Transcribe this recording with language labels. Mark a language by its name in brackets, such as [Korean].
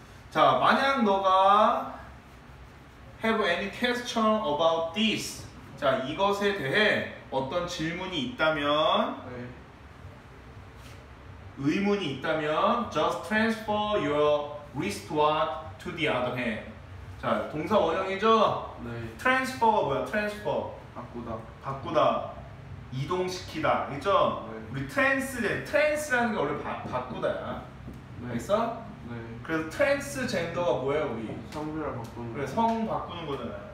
[Korean] 자, 만약 너가 [English] have any question about this. [Korean] 자, 이것에 대해 어떤 질문이 있다면, 네. 의문이 있다면, [English] just transfer your wristwatch to the other hand. [Korean] 자, 동사 원형이죠? 네. transfer가 뭐야? [English] transfer. [Korean] 바꾸다. 바꾸다. 이동시키다. 알겠죠? 네. 우리 trans젠, trans라는 게 원래 바꾸다야. 네. 알겠어? 네. 그래서 transgender가 뭐예요, 우리? 성별을 바꾸는 거. 그래, 성 바꾸는 거잖아요.